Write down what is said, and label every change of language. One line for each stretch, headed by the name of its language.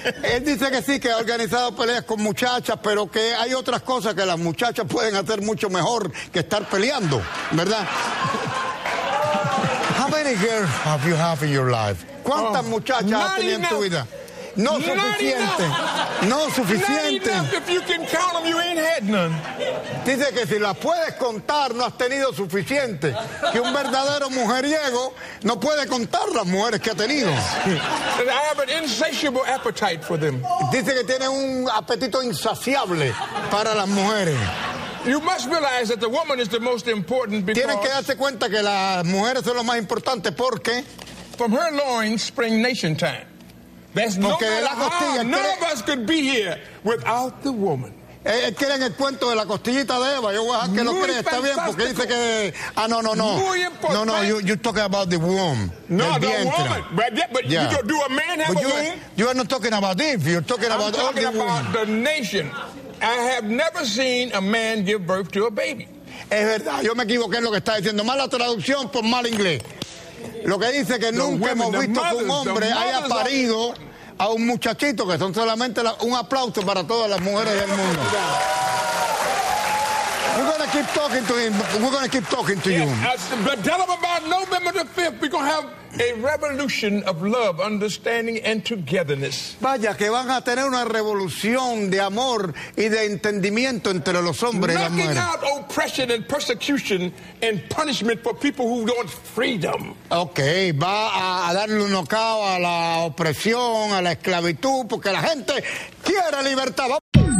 Spanish: Él dice que sí, que ha organizado peleas con muchachas, pero que hay otras cosas que las muchachas pueden hacer mucho mejor que estar peleando, ¿verdad?
English: How many girls have you have in your life?
Spanish: ¿Cuántas muchachas has tenido en tu vida? No suficiente. No suficiente.
English: Not enough. If you can count them, you ain't had none.
Spanish: Dice que si las puedes contar, no has tenido suficiente. Que un verdadero mujeriego no puede contar las mujeres que ha tenido.
English: I have an insatiable appetite for them.
Spanish: Dice que tiene un apetito insaciable para las mujeres.
English: You must realize that the woman is the most important because...
Spanish: Tienen que darse cuenta que las mujeres son lo más importante porque...
English: From her loins spring nation time.
Spanish: That's porque de la costilla...
English: None of us could be here without the woman.
Spanish: ¿Quieren el cuento de la costillita de Eva? Yo voy a dejar que lo crea. Está bien, porque dice que... No. Muy importante.
English: No, you're talking about the womb. No, the woman. Do a man have a womb? You are not talking about this. You're talking about all the womb. I'm talking about the nation. I have never seen a man give birth to a baby.
Spanish: Es verdad, yo me equivoqué en lo que está diciendo. Mala traducción por mal inglés. Lo que dice que nunca hemos visto que un hombre haya parido a un muchachito, que son solamente un aplauso para todas las mujeres del mundo.
English: We're going to keep talking to him. We're going to keep talking to you. But tell him about November the 5th. We're going to have a revolution of love, understanding, and togetherness.
Spanish: Vaya, que van a tener una revolución de amor y de entendimiento entre los hombres y las mujeres.
English: Knocking out oppression and persecution and punishment for people who want freedom.
Spanish: Okay, va a darle un knockout a la opresión, a la esclavitud, porque la gente quiere libertad. Vamos.